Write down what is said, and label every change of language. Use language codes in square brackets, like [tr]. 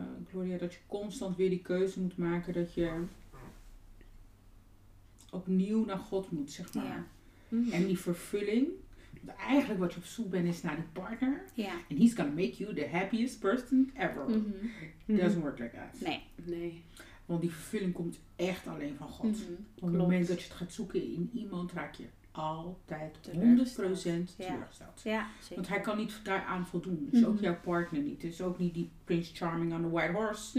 [nl] Gloria, dat je constant weer die keuze moet maken dat je opnieuw naar God moet, zeg maar. Yeah. Mm-hmm. En die vervulling. Eigenlijk wat je op zoek bent is naar die partner. Yeah. [en] And he's gonna make you the happiest person ever. Mm-hmm. Doesn't work like that. [nl] Nee. Want die vervulling komt echt alleen van God. Mm-hmm. Op het moment dat je het gaat zoeken in iemand, raak je altijd 100% teruggesteld. Ja. Ja, want hij kan niet daaraan voldoen. Dus mm-hmm. ook jouw partner niet. Dus ook niet die Prince Charming on the White Horse.